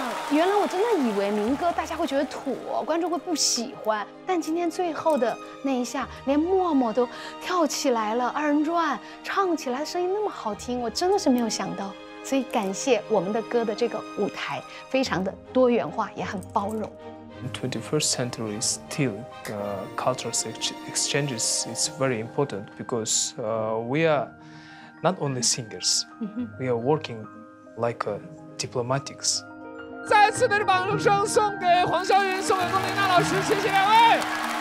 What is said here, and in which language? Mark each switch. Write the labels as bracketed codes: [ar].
[zh] 原来我真的以为民歌大家会觉得土，观众会不喜欢，但今天最后的那一下连默默都跳起来了，二人转唱起来声音那么好听，我真的是没有想到，所以感谢我们的歌的这个舞台非常的多元化也很包容。 [en] 21st century still the cultural exchanges is very important because we are not only singers we are working like a diplomatics。 [zh] 再次的掌声送给黄霄云，送给龚琳娜老师，谢谢两位。